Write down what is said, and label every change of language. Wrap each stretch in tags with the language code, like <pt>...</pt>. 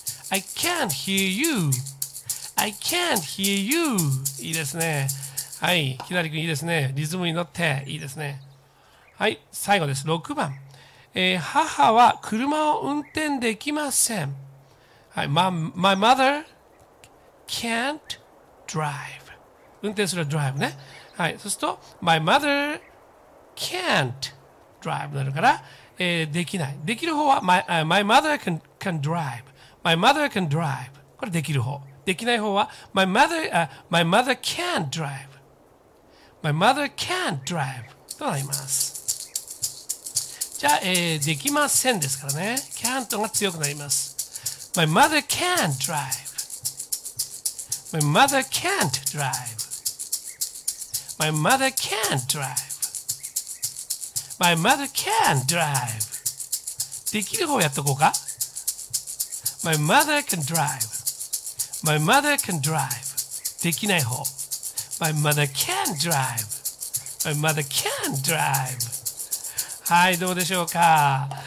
<en>I can't hear you。 I can't hear you。</en> <ja>いいですね。はい、きなり君いいですね。リズムに乗っていいですね。はい、最後です。 6番、母は車を運転できません。</ja> <en>はい、 My mother can't drive。</en> <ja>運転するドライブね。はい、そうすると</ja> <en>My mother can't drive</en> <ja>になるから、できない。できる方は</ja> <en>my mother can drive。 My mother can drive、</en> <ja>これできる方。できない方は</ja> <en>my mother can't drive。 My mother can't drive</en> <ja>となります。じゃあ、できませんですからね、 can't が強くなります。</ja> <en>My mother can't drive。 My mother can't driveMy mother can't drive。 My mother can't drive。</en> <ja>できる方やっとこうか。</ja> <en>My mother can drive。 My mother can drive。</en> <ja>できない方。</ja> <en>My mother can drive。 My mother can drive。</en> <ja>はい、どうでしょうか。</ja>